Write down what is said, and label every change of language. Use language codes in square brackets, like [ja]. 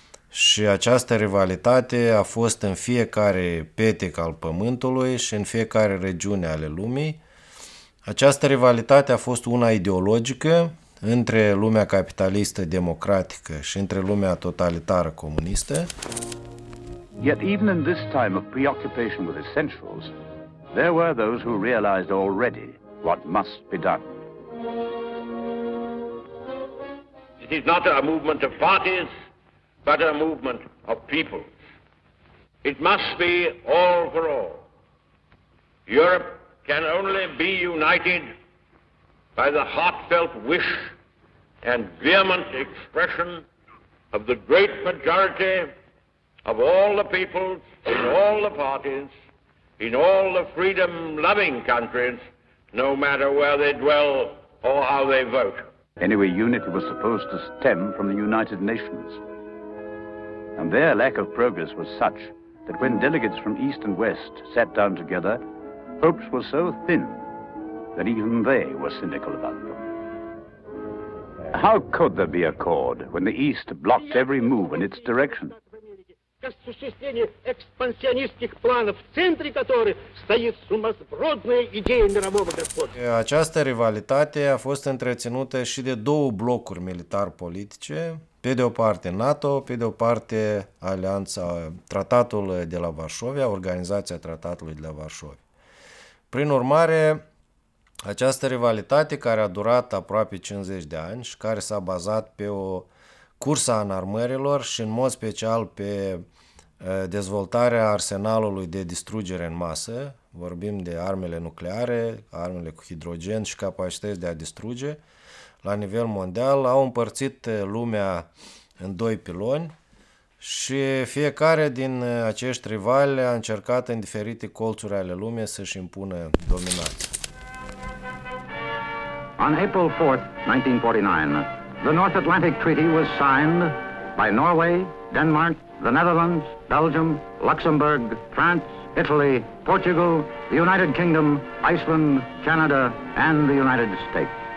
[ro] Și această rivalitate a fost în fiecare petec al pământului și în fiecare regiune ale lumii. Această rivalitate a fost una ideologică între lumea capitalistă democratică și între lumea totalitară comunistă. [en] Yet even in this time of preoccupation with essentials, there were those who realized already what must be done. It is not a movement of parties, but a movement of people. It must be all for all. Europe can only be united by the heartfelt wish and vehement expression of the great majority of all the peoples, in all the parties, in all the freedom-loving countries, no matter where they dwell or how they vote. Anyway, unity was supposed to stem from the United Nations. And their lack of progress was such that when delegates from East and West sat down together, hopes were so thin that even they were cynical about them. How could there be accord when the East blocked every move in its direction? [ru] Осуществление экспансионистских планов, в центре которых стоит сумасбродная идея мирового господства. [ro] Această rivalitate a fost întreținută și de două blocuri militar-politice, pe de o parte NATO, pe de o parte alianța, Tratatul de la Varșovia, Organizația Tratatului de la Varșovia. Prin urmare, această rivalitate, care a durat aproape 50 de ani și care s-a bazat pe o cursă a înarmărilor și în mod special pe dezvoltarea arsenalului de distrugere în masă, vorbim de armele nucleare, armele cu hidrogen și capacități de a distruge, la nivel mondial, au împărțit lumea în doi piloni și fiecare din acești rivali a încercat în diferite colțuri ale lumii să-și impună dominația. [en] On April 4th, 1949, the North Atlantic Treaty was signed by Norway, Denmark, the Netherlands, Belgium, Luxembourg, France, Italy, Portugal, the United Kingdom, Iceland, Canada, and the United States.